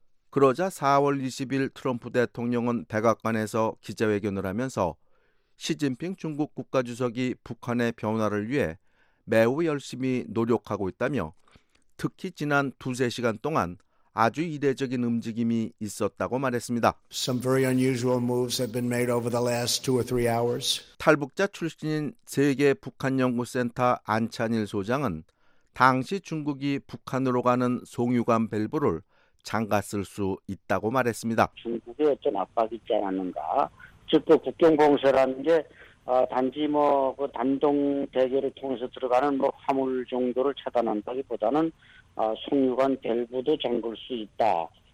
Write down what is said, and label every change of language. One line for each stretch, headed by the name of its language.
Korean: 그러자 4월 20일 트럼프 대통령은 백악관에서 기자회견을 하면서 시진핑 중국 국가주석이 북한의 변화를 위해 매우 열심히 노력하고 있다며 특히 지난 두세 시간 동안 아주 이례적인 움직임이 있었다고 말했습니다.
English: Some very unusual moves have been made over the last two or three hours.
Korean: 탈북자 출신인 세계 북한연구센터 안찬일 소장은 당시 중국이 북한으로 가는 송유관 밸브를 잠갔을 수 있다고 말했습니다. 중국의 어떤 압박이 있지 않았는가. 즉 그 국경 봉쇄라는 게 단지 뭐 그 단독 대교를 통해서 들어가는 뭐 화물 정도를 차단한다기보다는 송유관 밸브도 잠글 수 있다.